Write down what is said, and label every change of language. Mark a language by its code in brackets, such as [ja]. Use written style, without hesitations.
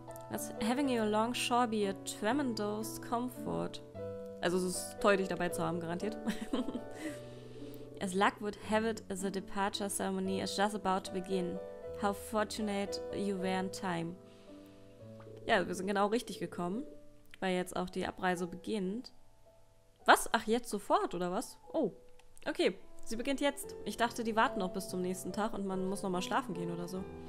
[en] That's having you along shall be a tremendous comfort. [de] Also es ist toll, dich dabei zu haben, garantiert. [en] As luck would have it, the departure ceremony is just about to begin. How fortunate you were in time. [de] Ja, wir sind genau richtig gekommen, weil jetzt auch die Abreise beginnt. Was? Ach, jetzt sofort, oder was? Oh, okay. Sie beginnt jetzt. Ich dachte, die warten noch bis zum nächsten Tag und man muss noch mal schlafen gehen oder so.